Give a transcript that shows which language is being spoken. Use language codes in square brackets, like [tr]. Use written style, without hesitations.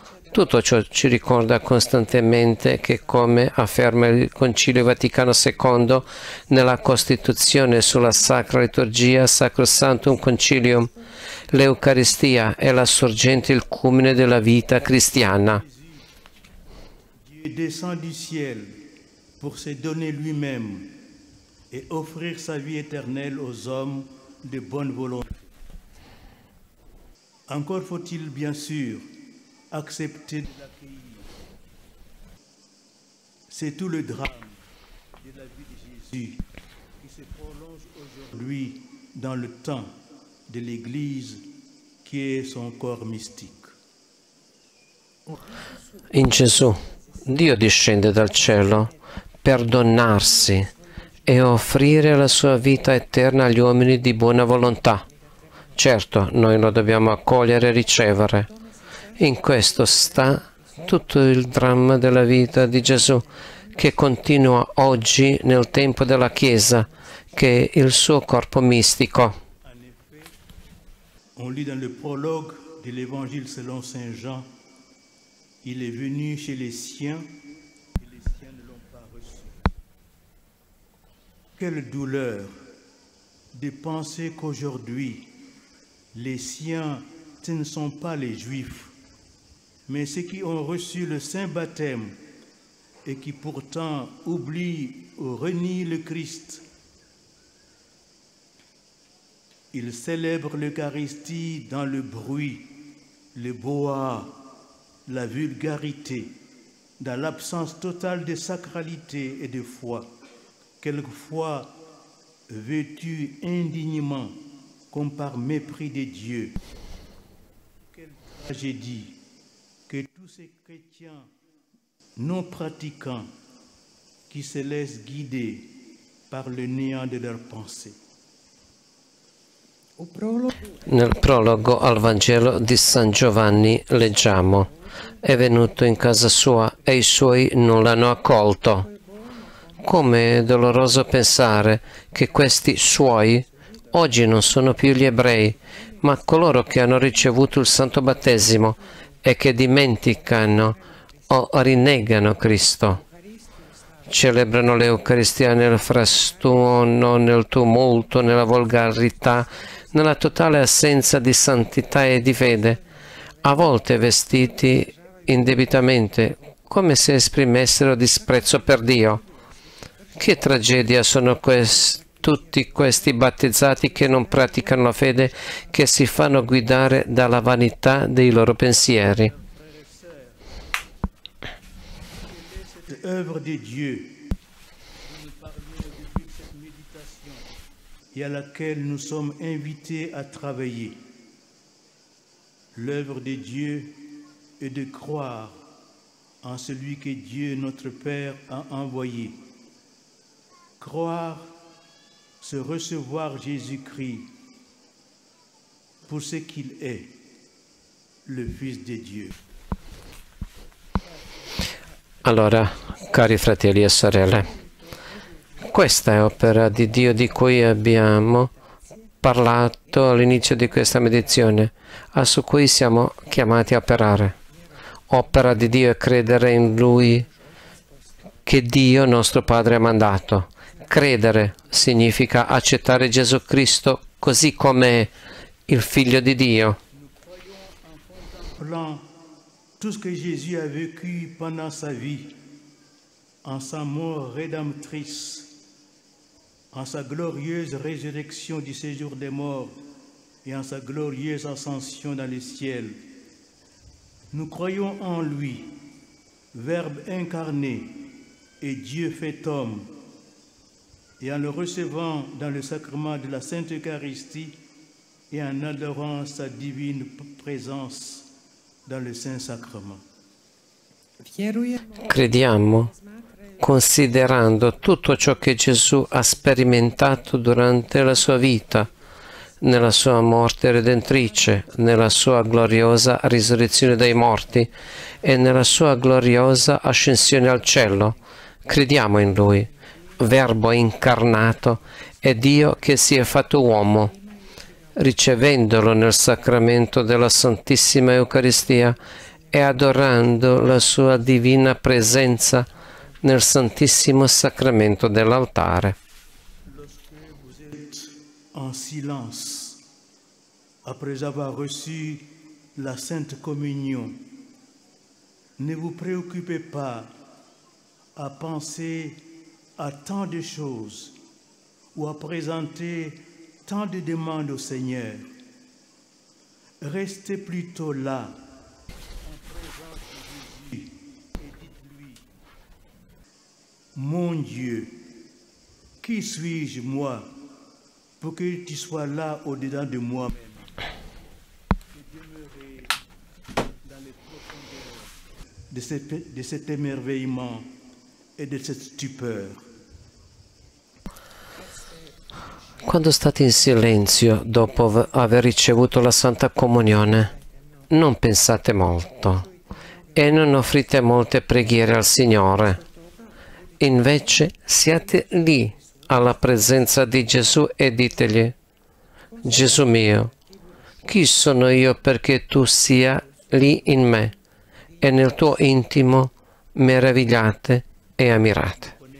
[it] Tutto ciò ci ricorda costantemente che, come afferma il Concilio Vaticano II nella Costituzione sulla Sacra Liturgia Sacrosanctum Concilium, l'Eucaristia è la sorgente, il culmine della vita cristiana. [fr] Dio descend du ciel pour se donner lui-même et offrir sa vie éternelle aux hommes de bonne volonté. Ancora faut-il, bien sûr, accepter de l'accueillir. C'est tout le drame de la vie de Jésus qui se prolonge aujourd'hui dans le temps de l'Église qui est son corps mystique. [it] In Gesù, Dio discende dal cielo per donarsi e offrire la sua vita eterna agli uomini di buona volontà. Certo, noi lo dobbiamo accogliere e ricevere. In questo sta tutto il dramma della vita di Gesù, che continua oggi nel tempo della Chiesa, che è il suo corpo mistico. [fr] En effet, on lit dans le prologue de l'Évangile selon Saint Jean, il est venu chez les siens et les siens ne l'ont pas reçu. Quelle douleur de penser qu'aujourd'hui les siens ne sont pas les Juifs. Mais ceux qui ont reçu le Saint baptême et qui pourtant oublient ou renient le Christ, ils célèbrent l'Eucharistie dans le bruit, le brouhaha, la vulgarité, dans l'absence totale de sacralité et de foi, quelquefois vêtus indignement comme par mépris de Dieu. Quelle tragédie! Que tous ces chrétiens non pratiquants qui se laissent guider par le néant de leurs pensées. [it] Nel prologo al Vangelo di San Giovanni leggiamo: è venuto in casa sua e i suoi non l'hanno accolto. Come è doloroso pensare che questi suoi oggi non sono più gli ebrei, ma coloro che hanno ricevuto il Santo Battesimo e che dimenticano o rinnegano Cristo. Celebrano l'Eucaristia nel frastuono, nel tumulto, nella volgarità, nella totale assenza di santità e di fede, a volte vestiti indebitamente, come se esprimessero disprezzo per Dio. Che tragedia sono tutti questi battezzati che non praticano la fede, che si fanno guidare dalla vanità dei loro pensieri. [fr] cette œuvre de Dieu et à laquelle nous sommes invités à travailler, l'œuvre de Dieu est de croire en celui que Dieu, notre Père, a envoyé. Croire, c'est recevoir Jésus-Christ pour ce qu'il est, le Fils de Dieu. [it] Allora, cari fratelli e sorelle, questa è opera di Dio di cui abbiamo parlato all'inizio di questa meditazione, a su cui siamo chiamati a operare. Opera di Dio è credere in Lui che Dio, nostro Padre, ha mandato. Credere significa accettare Gesù Cristo così come è il Figlio di Dio. [fr] Tout ce que Jésus a vécu pendant sa vie, en sa mort rédemptrice, en sa glorieuse résurrection du séjour des morts et en sa glorieuse ascension dans le ciel. Nous croyons en lui, Verbe incarné et Dieu fait homme, et en le recevant dans le sacrement de la Sainte Eucharistie et en adorant sa divine présence dans le Saint-Sacrement. [it] Crediamo, considerando tutto ciò che Gesù ha sperimentato durante la sua vita, nella sua morte redentrice, nella sua gloriosa risurrezione dai morti e nella sua gloriosa ascensione al cielo. Crediamo in Lui, Verbo incarnato e Dio che si è fatto uomo. Ricevendolo nel sacramento della Santissima Eucaristia e adorando la sua divina presenza nel Santissimo Sacramento dell'altare. [fr] En silence, après avoir reçu la Sainte Communion, ne vous préoccupez pas à penser à tant de choses ou à présenter tant de demande au Seigneur. Restez plutôt là. Mon Dieu, qui suis-je moi pour que tu sois là au-dedans de moi? De cet émerveillement et de cette stupeur. [it] Quando state in silenzio dopo aver ricevuto la Santa Comunione, non pensate molto e non offrite molte preghiere al Signore. Invece siate lì alla presenza di Gesù e ditegli: Gesù mio, chi sono io perché tu sia lì in me e nel tuo intimo meravigliate e ammirate.